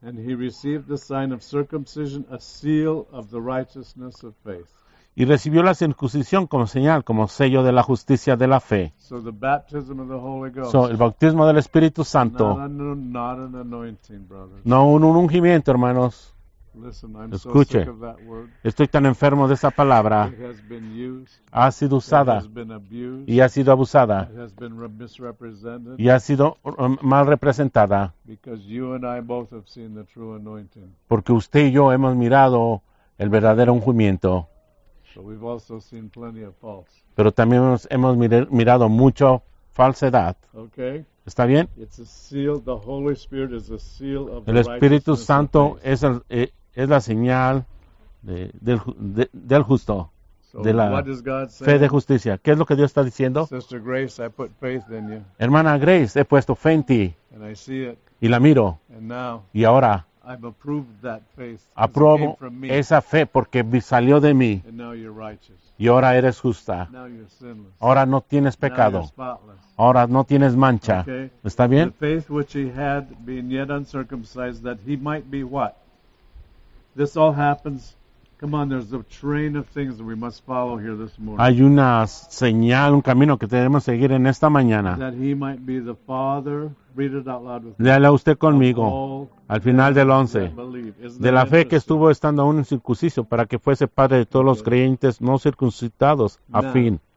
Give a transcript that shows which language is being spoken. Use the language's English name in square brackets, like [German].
[English] And he received the sign of circumcision, a seal of the righteousness of faith. [Spanish] Y recibió la circuncisión como señal, como sello de la justicia de la fe. [English] So the baptism of the Holy Ghost. [Spanish] So, el bautismo del Espíritu Santo. [English] Not an anointing, brothers. [Spanish] No un ungimiento, hermanos. [English] Listen, I'm [Spanish] escuche. [English] So sick of that word. [Spanish] Estoy tan enfermo de esa palabra. [English] It has been used. [Spanish] Ha sido usada. [English] It has been abused. [Spanish] Y ha sido abusada. [English] It has been misrepresented. [Spanish] Y ha sido mal representada. [English] Because you and I both have seen the true anointing. [Spanish] Porque usted y yo hemos mirado el verdadero ungimiento. [English] But we've also seen plenty of false. [Spanish] Pero también hemos mirado mucho falsedad. [English] Okay. [Spanish] ¿Está bien? [English] It's a seal. The Holy Spirit is a seal of [Spanish] el Espíritu Santo es la señal del justo, [English] so [Spanish] de la [English] what does God say? [Spanish] Fe de justicia. ¿Qué es lo que Dios está diciendo? [English] Sister Grace, I put faith in you. [Spanish] Hermana Grace, he puesto fe en ti. [English] And I see it. [Spanish] Y la miro. [English] And now, [Spanish] y ahora. [English] I've approved that faith. [Spanish] Apruebo esa fe porque salió de mí. [English] And now you're righteous. [Spanish] Y ahora eres justa. [English] Now you're sinless. [Spanish] Ahora no tienes pecado. [English] Now you're spotless. [Spanish] Ahora no tienes mancha. [English] Okay. [Spanish] ¿Está bien? [English] The faith which he had being yet uncircumcised that he might be what? This all happens. Come on, there's a train of things that we must follow here this morning. [Spanish] Hay una señal, un camino que tenemos que seguir en esta mañana. [English] That he might be the father. Read it out loud with [Spanish] me. Léale a usted conmigo. Al final del 11. De la fe que estuvo estando aún en circunciso para que fuese padre de todos los creyentes no circuncitados a fin.